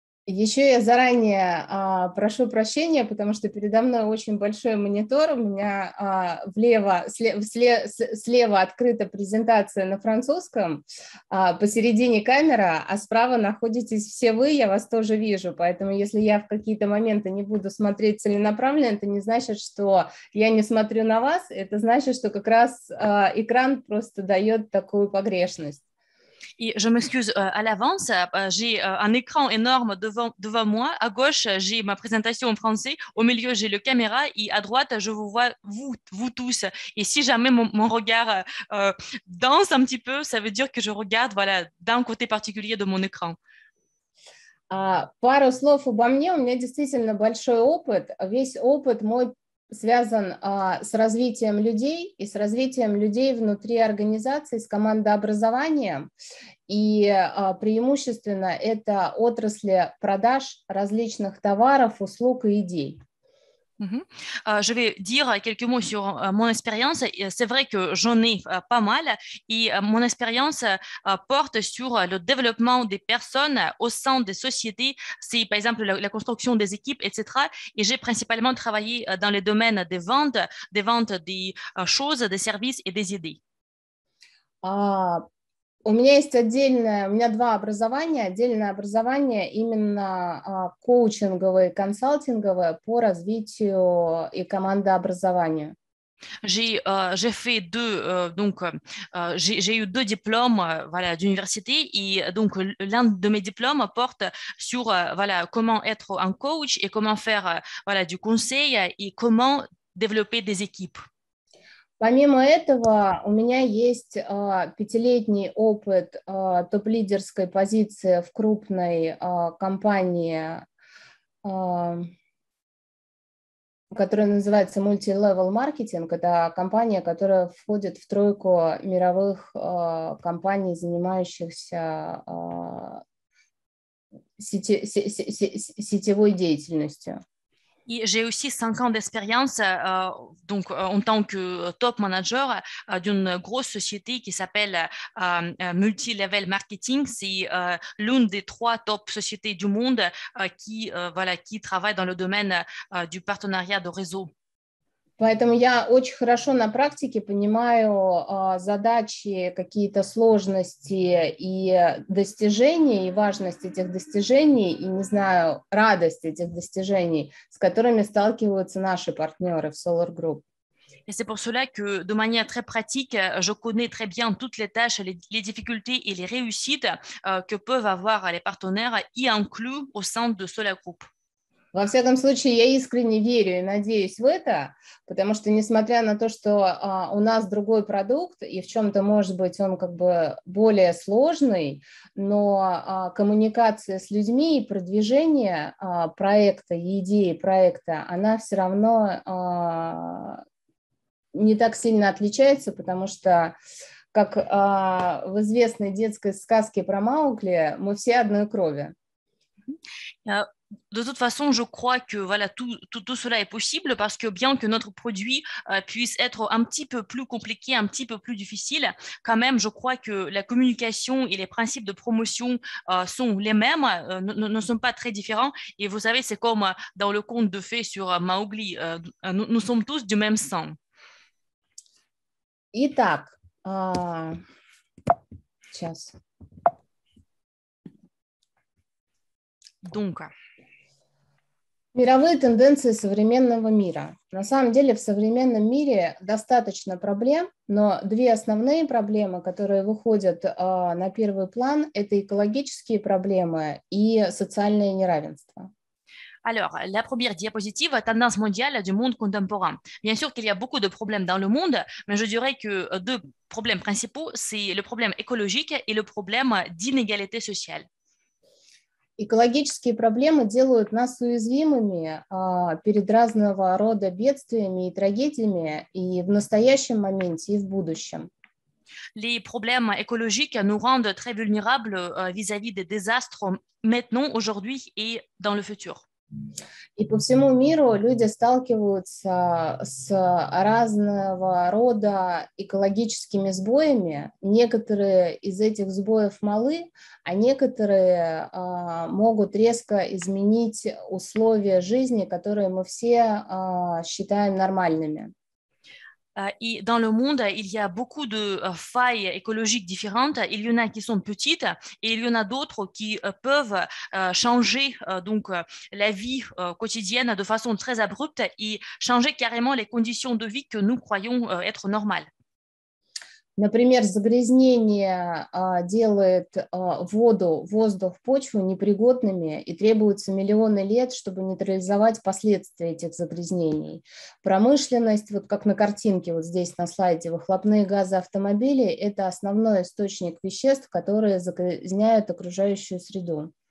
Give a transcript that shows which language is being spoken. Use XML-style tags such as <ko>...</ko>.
<ru>Еще я заранее прошу прощения, потому что передо мной очень большой монитор. У меня слева открыта презентация на французском, посередине камера, а справа находитесь все вы, я вас тоже вижу. Поэтому если я в какие-то моменты не буду смотреть целенаправленно, это не значит, что я не смотрю на вас, это значит, что как раз экран просто дает такую погрешность.</ru> <fr>Et je m'excuse à l'avance, j'ai un écran énorme devant moi, à gauche j'ai ma présentation en français, au milieu j'ai le caméra et à droite je vous vois vous tous. Et si jamais mon regard danse un petit peu, ça veut dire que je regarde voilà, d'un côté particulier de mon écran.</fr> <ru>Пару слов обо мне, у меня действительно большой опыт, весь опыт мой связан с развитием людей и с развитием людей внутри организации, с командообразованием. И преимущественно это отрасли продаж различных товаров, услуг и идей.</ru> <fr>Je vais dire quelques mots sur mon expérience. C'est vrai que j'en ai pas mal et mon expérience porte sur le développement des personnes au sein des sociétés. C'est par exemple la construction des équipes, etc. Et j'ai principalement travaillé dans les domaines des ventes des choses, des services et des idées.</fr> <ru>У меня есть отдельное, у меня два образования, отдельное образование именно коучинговое, консалтинговое по развитию и командообразованию.</ru> <fr>J'ai fait deux, donc j'ai eu deux diplômes voilà, d'université et donc l'un de mes diplômes porte sur voilà, comment être un coach et comment faire voilà, du conseil et comment développer des équipes.</fr> <ru>Помимо этого, у меня есть пятилетний опыт топ-лидерской позиции в крупной компании которая называется Multi-Level Marketing. Это компания, которая входит в тройку мировых компаний, занимающихся сетевой деятельностью. И</ru> <fr>j'ai aussi 5 ans d'expérience donc en tant que top manager d'une grosse société qui s'appelle Multi-Level Marketing. C'est l'une des trois top sociétés du monde qui voilà, qui travaille dans le domaine du partenariat de réseau.</fr> <ru>Поэтому я очень хорошо на практике понимаю задачи, какие-то сложности и достижения, и важность этих достижений, и, не знаю, радость этих достижений, с которыми сталкиваются наши партнеры в Solar Group.</ru> <fr>Et c'est pour cela que, de manière très pratique, je connais très bien toutes les tâches, les difficultés et les réussites que peuvent avoir les partenaires, y inclus au sein de Solar Group.</fr> <ru>Во всяком случае, я искренне верю и надеюсь в это, потому что, несмотря на то, что у нас другой продукт, и в чем-то, может быть, он как бы более сложный, но коммуникация с людьми и продвижение проекта, идеи проекта, она все равно не так сильно отличается, потому что, как в известной детской сказке про Маугли, мы все одной крови.</ru> <fr>De toute façon, je crois que voilà, tout cela est possible parce que bien que notre produit puisse être un petit peu plus compliqué, un petit peu plus difficile, quand même, je crois que la communication et les principes de promotion sont les mêmes, ne sont pas très différents. Et vous savez, c'est comme dans le conte de fées sur Mowgli, nous sommes tous du même sang.</fr> <ru>Итак, сейчас.</ru> <fr>Donc.</fr> <ru>Мировые тенденции современного мира. На самом деле в современном мире достаточно проблем, но две основные проблемы, которые выходят на первый план, это экологические проблемы и социальное неравенство.</ru> <fr>Alors, la première diapositive, tendance mondiale du monde contemporain. Bien sûr qu'il y a beaucoup de problèmes dans le monde, mais je dirais que deux problèmes principaux, c'est le problème écologique et le problème d'inégalité sociale.</fr> <ru>Экологические проблемы делают нас уязвимыми перед разного рода бедствиями и трагедиями и в настоящем моменте, и в будущем.</ru> <fr>Les problèmes écologiques nous rendent très vulnérables vis-à-vis des désastres maintenant, aujourd'hui et dans le futur.</fr> <ru>И по всему миру люди сталкиваются с разного рода экологическими сбоями. Некоторые из этих сбоев малы, а некоторые могут резко изменить условия жизни, которые мы все считаем нормальными. И</ru> <fr>dans le monde, il y a beaucoup de failles écologiques différentes. Il y en a qui sont petites et il y en a d'autres qui peuvent changer donc la vie quotidienne de façon très abrupte et changer carrément les conditions de vie que nous croyons être normales.</fr> <ru>Например, загрязнение делает воду, воздух, почву непригодными, и требуются миллионы лет, чтобы нейтрализовать последствия этих загрязнений. Промышленность, вот как на картинке вот здесь на слайде, выхлопные газы автомобилей – это основной источник веществ, которые загрязняют окружающую среду.</ru>